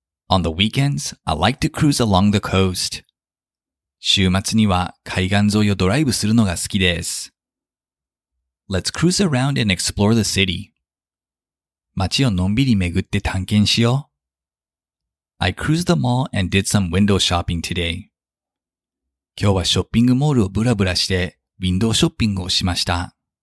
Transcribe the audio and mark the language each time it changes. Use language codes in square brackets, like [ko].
[en] On the weekends, I like to cruise along the coast. [ja] 週末には海岸沿いをドライブするのが好きです。 [en] Let's cruise around and explore the city. [ja] 街をのんびり巡って探検しよう。 [en] I cruised the mall and did some window shopping today. [ja] 今日はショッピングモールをブラブラして、ウィンドウショッピングをしました。